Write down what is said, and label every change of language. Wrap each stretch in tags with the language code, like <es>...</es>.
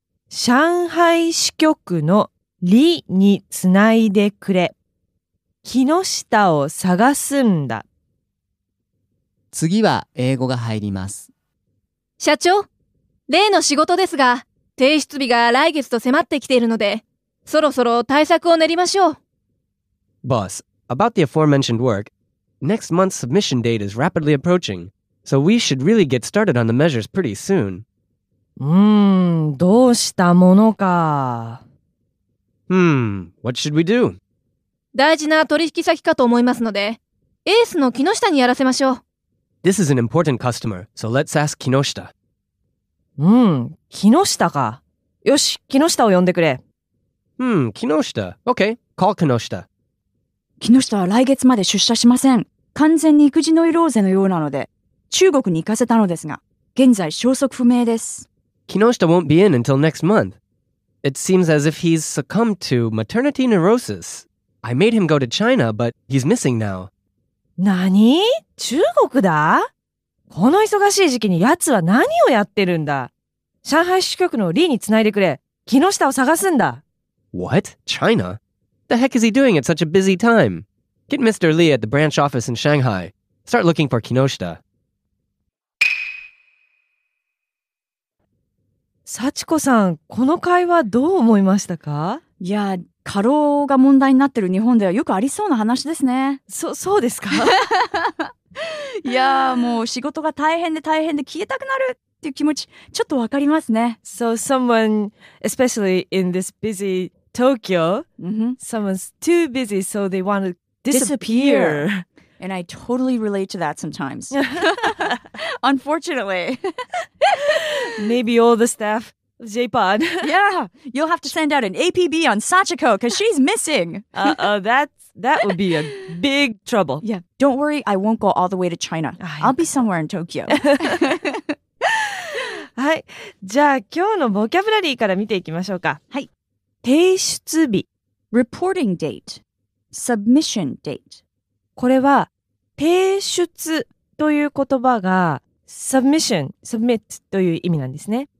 <ja>上海支局の李につないでくれ。木下を探すんだ。次は英語が入ります。社長、例の仕事ですが提出日が来月と迫ってきているので、そろそろ対策を練りましょう。</ja> <en>Boss, about the aforementioned work, next month's submission date is rapidly approachingSo we should really get started on the measures pretty soon.</en> <ja>どうしたものか。</ja> <en>What should we do?</en> <ja>大事な取引先かと思いますので、エースの木下にやらせましょう。</ja> <en>This is an important customer, so let's ask Kinoshita.</en> <ja>木下か。よし、木下を呼んでくれ。</ja> <en>Kinoshita. Okay, call Kinoshita.</en> <ja>木下は来月まで出社しません。完全に育児ノイローゼのようなので、中国に行かせたのですが、現在消息不明です。</ja> <en>Kinoshita won't be in until next month. It seems as if he's succumbed to maternity neurosis. I made him go to China, but he's missing now.</en> <ja>何？中国だ？この忙しい時期に奴は何をやってるんだ？上海支局のリーにつないでくれ。 Kinoshita を探すんだ。</ja> <en>What? China? The heck is he doing at such a busy time? Get Mr. Li at the branch office in Shanghai. Start looking for Kinoshita.</en> <ja>幸子さん、この会話どう思いましたか？いや、過労が問題になってる日本ではよくありそうな話ですね。そうですか？いや、もう仕事が大変で大変で消えたくなるっていう気持ち、ちょっとわかりますね。</ja> <en>So someone, especially in this busy Tokyo,、someone's too busy, so they want to disappear. And I totally relate to that sometimes. Unfortunately. Maybe all the staff J-pod. Yeah, you'll have to send out an APB on Sachiko because she's missing. That would be a big trouble. Yeah, don't worry. I won't go all the way to China. I'll be somewhere in Tokyo.</en> <ja>はい、じゃあ今日のボキャブラリーから見ていきましょうか。はい。提出日。</ja> <en>Reporting date. Submission date.</en> <ja>これは提出という言葉が submission, submit という意味なんですね。</ja>